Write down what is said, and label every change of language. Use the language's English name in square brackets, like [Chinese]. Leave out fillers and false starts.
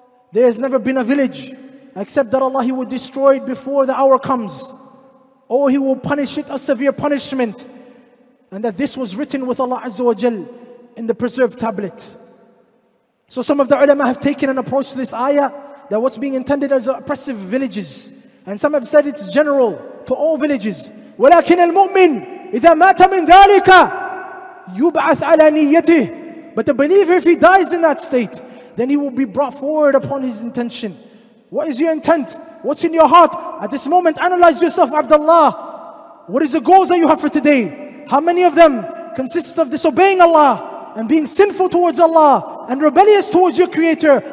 [English] There has never been a village except that Allah He would destroy it before the hour comes, or He will punish it a severe punishment, and that this was written with Allah Azza wa Jal in the preserved tablet. So some of the ulama have taken an approach to this ayah, that what's being intended is oppressive villages. And some have said it's general to all villages. [Arabic] ولكن المؤمن إذا مات من ذلك يبعث على نيته. [English] But the believer, if he dies in that state, then he will be brought forward upon his intention. What is your intent? What's in your heart? At this moment, analyze yourself, Abdullah. What is the goals that you have for today? How many of them consists of disobeying Allah and being sinful towards Allah and rebellious towards your Creator?